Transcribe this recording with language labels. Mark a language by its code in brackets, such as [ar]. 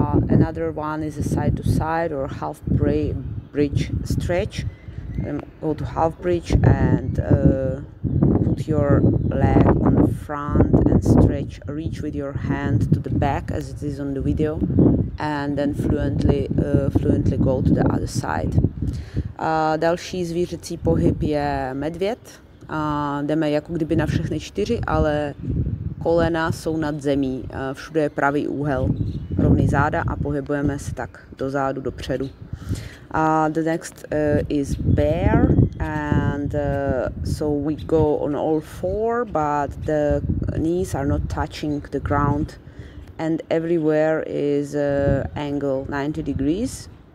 [en] Another one is a side to side or half bridge stretch. Go to half bridge and put your leg on the front and stretch, reach with your hand to the back as it is on the video, and then fluently go to the other side. [cs] Další zvířecí pohyb je medvěd. Jdeme jako kdyby na všechny čtyři, ale kolena jsou nad zemí. Všude je pravý úhel, rovný záda a pohybujeme se tak dozadu, dopředu. [en] The next is bear. And so we go on all four, but the knees are not touching the ground, and everywhere is an angle 90 degrees.